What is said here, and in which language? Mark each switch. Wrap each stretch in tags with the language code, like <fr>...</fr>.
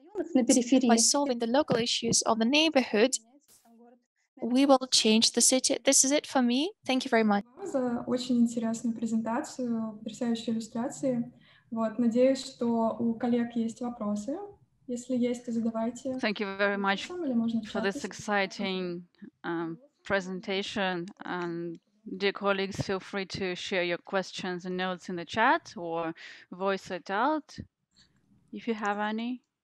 <en>By solving the local issues of the neighborhood, we will change the city. This is it for me. Thank you very much.</en> <ru>За очень интересную презентацию, потрясающие иллюстрации. Вот, надеюсь, что у коллег есть вопросы. Если есть, то задавайте.</ru> <en>Thank you very much for this exciting presentation. And dear colleagues, feel free to share your questions and notes in the chat or voice it out if you have any.</en>